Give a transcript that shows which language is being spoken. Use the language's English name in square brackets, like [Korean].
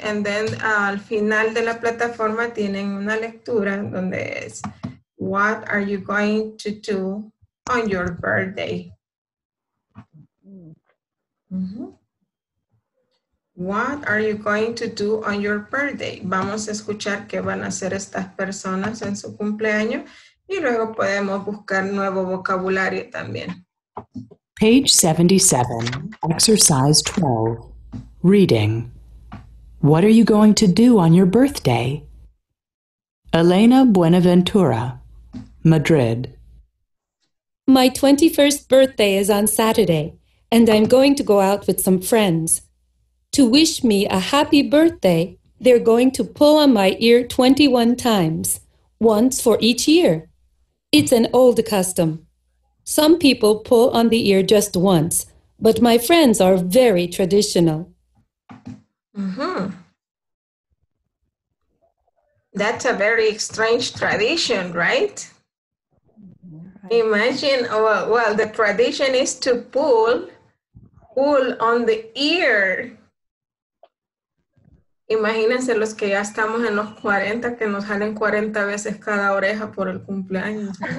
[English] And then [Spanish] al final de la plataforma tienen una lectura donde es, [English] what are you going to do on your birthday? Mm-hmm. What are you going to do on your birthday? [Spanish] Vamos a escuchar qué van a hacer estas personas en su cumpleaños. Y luego podemos buscar nuevo vocabulario también. [English] Page 77, exercise 12, reading. What are you going to do on your birthday? Elena Buenaventura, Madrid. My 21st birthday is on Saturday, and I'm going to go out with some friends. To wish me a happy birthday, they're going to pull on my ear 21 times, once for each year. It's an old custom. Some people pull on the ear just once, but my friends are very traditional. Mm-hmm. That's a very strange tradition, right? Imagine, well, the tradition is to pull on the ear. [Spanish] Imagínense los que ya estamos en los 40, que nos salen 40 veces cada oreja por el cumpleaños.